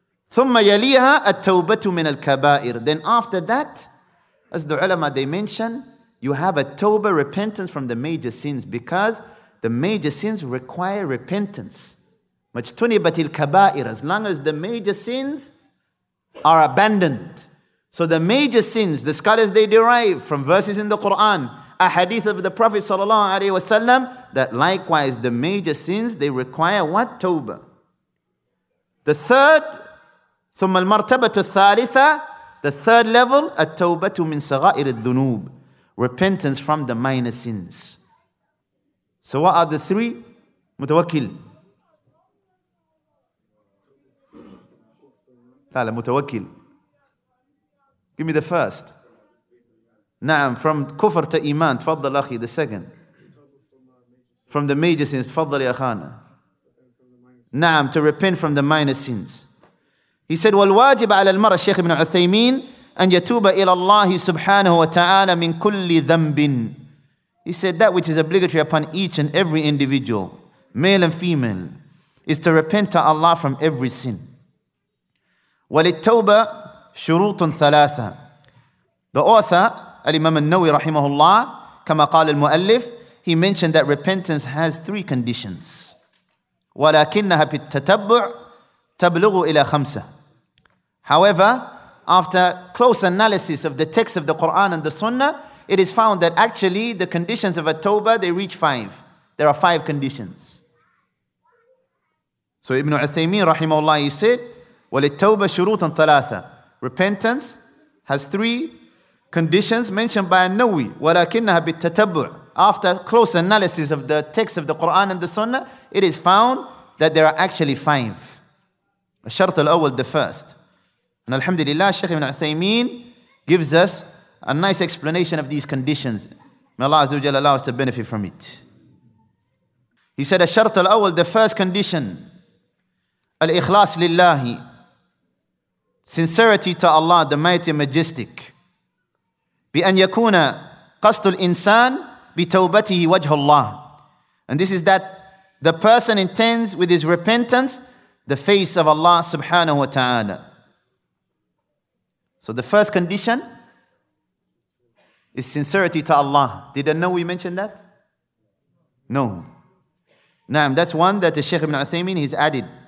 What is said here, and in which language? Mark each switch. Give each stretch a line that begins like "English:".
Arabic: ثم يليها التوبة من الكبائر.
English: Then after that, as the ulama, they mention, you have a tawbah, repentance from the major sins, because the major sins require repentance.
Arabic: مجتنبت الكبائر,
English: as long as the major sins are abandoned. So the major sins, the scholars, they derive from verses in the Quran, a hadith of the Prophet sallallahu alaihi wasallam, that likewise the major sins, they require what? Tawbah. The third,
Arabic: ثم المرتبة الثالثة,
English: the third level,
Arabic: التوبة من صغائر الذنوب,
English: repentance from the minor sins. So what are the three? متوكل.
Arabic: لا متوكل.
English: Give me the first.
Arabic: نعم, from كفر to إيمان. تفضل أخي,
English: the second. From the major sins.
Arabic: تفضل يا خانة.
English: نعم, to repent from the minor sins. He said,
Arabic: والواجب على المرء, الشيخ ابن عثيمين, أن يتوب إلى الله سبحانه وتعالى من كل ذنب.
English: He said, that which is obligatory upon each and every individual, male and female, is to repent to Allah from every sin.
Arabic: وللتوبة شروط ثلاثة.
English: The author,
Arabic: الإمام النووي رحمه الله, كما قال المؤلف,
English: he mentioned that repentance has three conditions.
Arabic: ولكنها بالتتبع تبلغ إلى خمسة.
English: However, after close analysis of the text of the Quran and the Sunnah, it is found that actually the conditions of a tawbah, they reach five. There are five conditions. So Ibn Uthaymeen rahimahullah, he said,
Arabic: وللتوبة شروط ثلاثة.
English: Repentance has three conditions mentioned by An-Nawwi.
Arabic: ولكنها بالتتبع.
English: After close analysis of the text of the Quran and the Sunnah, it is found that there are actually five.
Arabic: الشرط الأول,
English: the first. And alhamdulillah, Shaykh Ibn Uthaymeen gives us a nice explanation of these conditions. May Allah Azza wa Jalla allow us to benefit from it. He said,
Arabic: الشرط الأول,
English: the first condition,
Arabic: الإخلاص لله,
English: sincerity to Allah, the mighty and majestic.
Arabic: بأن يكون قصد الإنسان بتوبته وجه الله.
English: And this is that the person intends with his repentance the face of Allah subhanahu wa ta'ala. So the first condition is sincerity to Allah. Did I know we mentioned that? No. Naam, that's one that the Shaykh Ibn Uthaymeen has added.